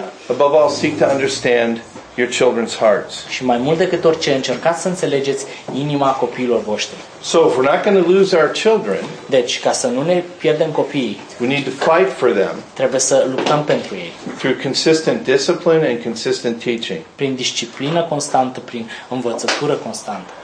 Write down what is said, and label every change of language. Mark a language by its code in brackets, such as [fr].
[en] Above all, seek to understand your children's hearts. [ro] Și mai mult decât orice, încercați să înțelegeți inima copiilor voștri. [en] So if we're not going to lose our children, [ro] deci ca să nu ne pierdem copiii, [en] we need to fight for them. [ro] Trebuie să luptăm pentru ei. [en] Through consistent discipline and consistent teaching. [ro] Prin disciplină constantă, prin învățătură constantă.